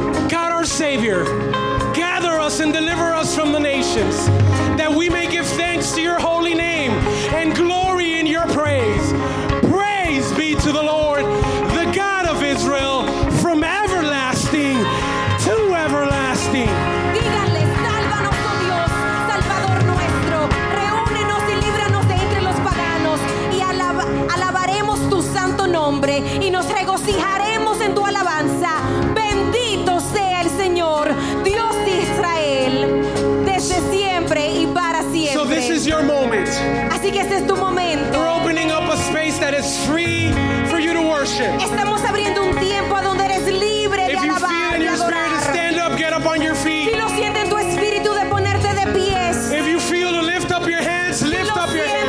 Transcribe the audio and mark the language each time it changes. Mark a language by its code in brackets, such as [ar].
[en] God our Savior, gather us and deliver us from the nations, that we may give thanks to your holy name and glory in your praise. Praise be to the Lord, the God of Israel, from everlasting to everlasting. [es] Díganle, sálvanos, oh Dios, Salvador nuestro, reúnenos y líbranos de entre los paganos, y alabaremos tu santo nombre y nos regocijaremos en tu alabanza. Bendito sea el Señor, Dios de Israel, desde siempre y para siempre. [en] So this is your moment. [es] Así que este es tu momento. [en] We're opening up a space that is free for you to worship. [es] Estamos abriendo un tiempo a donde eres libre de alabar y adorar. [en] If you feel in your spirit to stand up, get up on your feet. [es] Si lo sientes en tu espíritu de ponerte de pies. [en] If you feel to lift up your hands, lift up your hands.